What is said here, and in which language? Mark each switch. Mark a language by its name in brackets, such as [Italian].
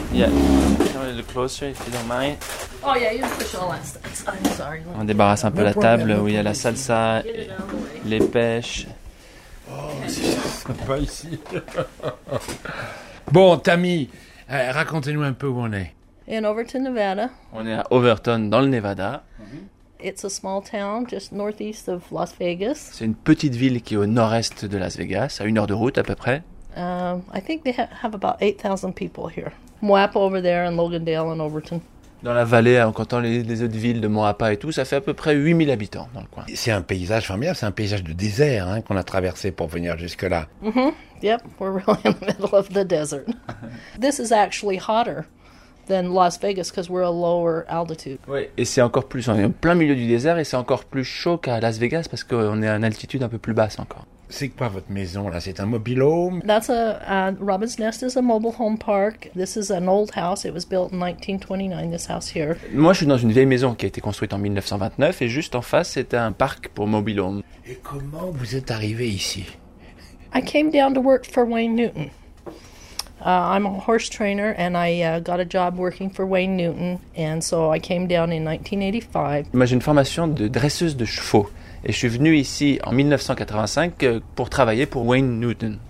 [English] Yeah, a little closer if you don't mind. Oh yeah, you push all that stuff, I'm sorry. [French] On débarrasse un peu la table où il y a la salsa, les pêches. Oh, c'est sympa ici. Bon, Tammy, racontez-nous un peu où on est. [English] In Overton, Nevada. [French] On est à Overton, dans le Nevada. Mm-hmm. [English] It's a small town just northeast of Las Vegas. [French] C'est une petite ville qui est au nord-est de Las Vegas, à une heure de route à peu près. [English] I think they have about 8,000 people here. Moapa over there and Logandale and Overton. [French] Dans la vallée, en comptant les autres villes de Moapa et tout, ça fait à peu près 8000 habitants dans le coin. C'est un paysage formidable, c'est un paysage de désert hein, qu'on a traversé pour venir jusque-là. Mm-hmm. [English] Yep, we're really in the middle of the desert. This is actually hotter than Las Vegas because we're a lower altitude. [French] Oui, et c'est encore plus, on est en plein milieu du désert et c'est encore plus chaud qu'à Las Vegas parce qu'on est à une altitude un peu plus basse encore. C'est quoi votre maison là? C'est un mobile home? [English] That's a Robin's Nest is a mobile home park. This is an old house. It was built in 1929, this house here. [French] Moi, je suis dans une vieille maison qui a été construite en 1929 et juste en face, c'était un parc pour mobile home. Et comment vous êtes arrivé ici? [English] I came down to work for Wayne Newton. I'm a horse trainer and I got a job working for Wayne Newton and so I came down in 1985. [French] Moi, j'ai une formation de dresseuse de chevaux. Et je suis venu ici en 1985 pour travailler pour Wayne Newton.